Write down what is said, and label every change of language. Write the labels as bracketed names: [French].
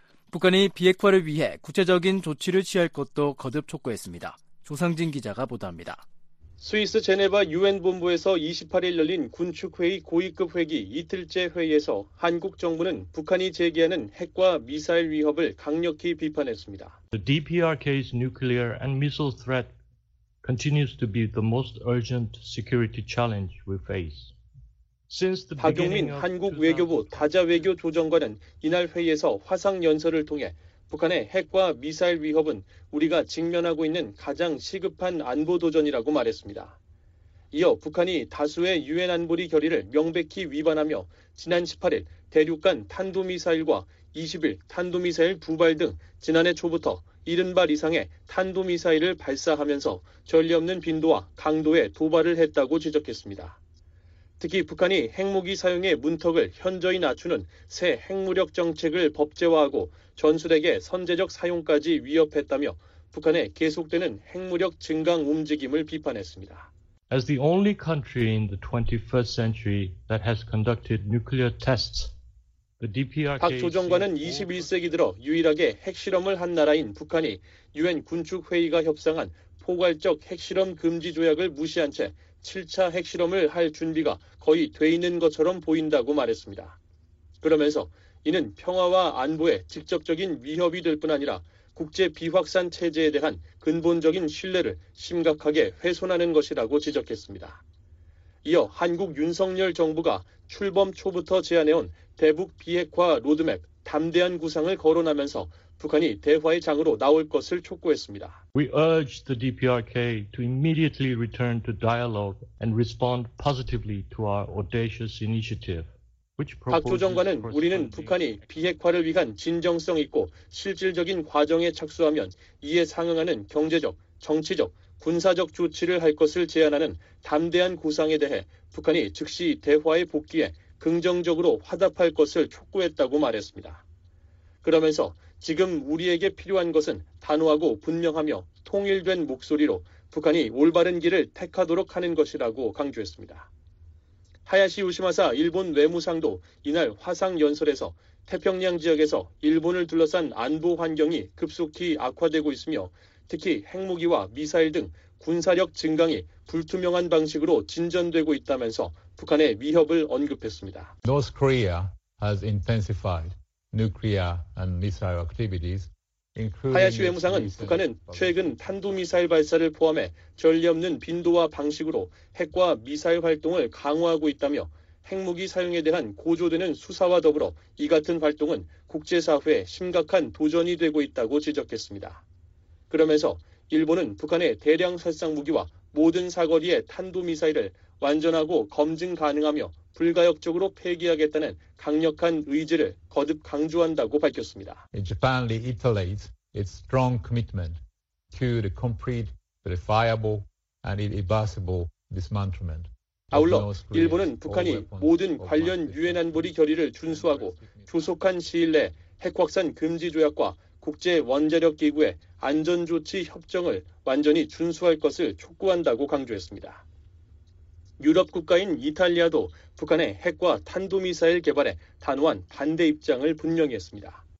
[Korean] 북한이 비핵화를 위해 구체적인 조치를 취할 것도 거듭 촉구했습니다. 조상진 기자가 보도합니다. 스위스 제네바 유엔 본부에서 28일 열린 군축회의 고위급 회기 이틀째 회의에서 한국 정부는 북한이 제기하는 핵과 미사일 위협을 강력히 비판했습니다. [English] The DPRK's nuclear and missile threat continues to be the most urgent security challenge we face. [Korean] 박용민 한국 외교부 다자외교 조정관은 이날 회의에서 화상연설을 통해 북한의 핵과 미사일 위협은 우리가 직면하고 있는 가장 시급한 안보 도전이라고 말했습니다. 이어 북한이 다수의 유엔 안보리 결의를 명백히 위반하며 지난 18일 대륙간 탄도미사일과 20일 탄도미사일 부발 등 지난해 초부터 70발 이상의 탄도미사일을 발사하면서 전례 없는 빈도와 강도의 도발을 했다고 지적했습니다. 특히 북한이 핵무기 사용의 문턱을 현저히 낮추는 새 핵무력 정책을 법제화하고 전술핵의 선제적 사용까지 위협했다며 북한의 계속되는 핵무력 증강 움직임을 비판했습니다. [English] As the only country in the 21st century that has conducted nuclear tests, the DPRK [Korean] 박 조정관은 21세기 들어 유일하게 핵실험을 한 나라인 북한이 유엔 군축회의가 협상한 포괄적 핵실험 금지 조약을 무시한 채 7차 핵실험을 할 준비가 거의 돼 있는 것처럼 보인다고 말했습니다. 그러면서 이는 평화와 안보에 직접적인 위협이 될 뿐 아니라 국제 비확산 체제에 대한 근본적인 신뢰를 심각하게 훼손하는 것이라고 지적했습니다. 이어 한국 윤석열 정부가 출범 초부터 제안해온 대북 비핵화 로드맵 담대한 구상을 거론하면서 북한이 대화의 장으로 나올 것을 촉구했습니다. [English] We urge the DPRK to immediately return to dialogue and respond positively to our audacious initiative. [Korean] 박 조정관은 우리는 북한이 비핵화를 위한 진정성 있고 실질적인 과정에 착수하면 이에 상응하는 경제적, 정치적, 군사적 조치를 할 것을 제안하는 담대한 구상에 대해 북한이 즉시 대화에 복귀해 긍정적으로 화답할 것을 촉구했다고 말했습니다. 그러면서 지금 우리에게 필요한 것은 단호하고 분명하며 통일된 목소리로 북한이 올바른 길을 택하도록 하는 것이라고 강조했습니다. 하야시 요시마사 일본 외무상도 이날 화상연설에서 태평양 지역에서 일본을 둘러싼 안보 환경이 급속히 악화되고 있으며 특히 핵무기와 미사일 등 군사력 증강이 불투명한 방식으로 진전되고 있다면서 북한의 위협을 언급했습니다. [English] North Korea has intensified nuclear and missile activities. [Korean] 하야시 외무상은 북한은 최근 탄도미사일 발사를 포함해 전례 없는 빈도와 방식으로 핵과 미사일 활동을 강화하고 있다며 핵무기 사용에 대한 고조되는 수사와 더불어 이 같은 활동은 국제사회에 심각한 도전이 되고 있다고 지적했습니다. 그러면서 일본은 북한의 대량 살상 무기와 모든 사거리의 탄도미사일을 완전하고 검증 가능하며 불가역적으로 폐기하겠다는 강력한 의지를 거듭 강조한다고 밝혔습니다. [English] Japan reiterates its strong commitment to the complete, verifiable, and irreversible dismantlement. [Korean] 아울러 일본은 북한이 모든 관련 유엔 안보리 결의를 준수하고 조속한 시일 내 핵확산 금지 조약과 국제 원자력 기구의 안전 조치 협정을 완전히 준수할 것을 촉구한다고 강조했습니다. 유럽 국가인 이탈리아도 북한의 핵과 탄도미사일 개발에 단호한 반대 입장을 분명히 했습니다.